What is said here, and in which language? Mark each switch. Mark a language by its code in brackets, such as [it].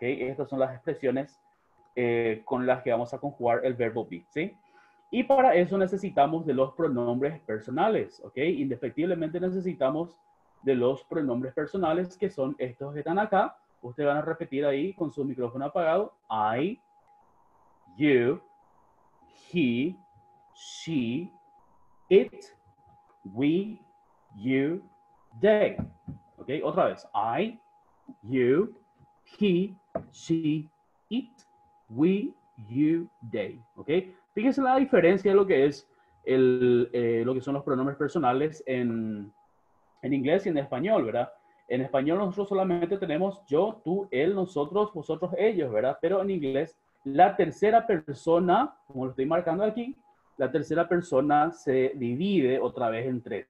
[es] Estas son las expresiones con las que vamos a conjugar el verbo be, ¿sí? Y para eso necesitamos de los pronombres personales, ¿ok? Indefectiblemente necesitamos de los pronombres personales, que son estos que están acá, ustedes van a repetir ahí con su micrófono apagado. [en] I, you, he, she, it, we, you, they. Ok, [es] otra vez. [en] I, you, he, she, it, we, you, they. [es] Ok, fíjense la diferencia de lo que es el, lo que son los pronombres personales en inglés y en español, ¿verdad? En español nosotros solamente tenemos yo, tú, él, nosotros, vosotros, ellos, ¿verdad? Pero en inglés la tercera persona, como lo estoy marcando aquí, la tercera persona se divide otra vez en tres.